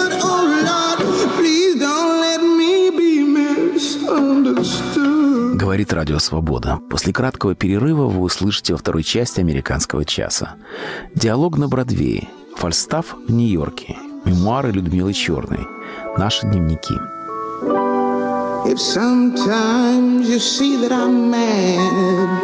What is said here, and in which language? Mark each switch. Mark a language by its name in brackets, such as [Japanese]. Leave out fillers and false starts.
[English] Oh Lord, please don't let me be misunderstood. [Russian] Говорит слушать «Радио Свобода». После краткого перерыва вы услышите во второй части «Американского часа». Диалог на Бродвее. Фальстаф в Нью-Йорке. Мемуары Людмилы Черной. Наши дневники. [English] If sometimes you see that I'm mad,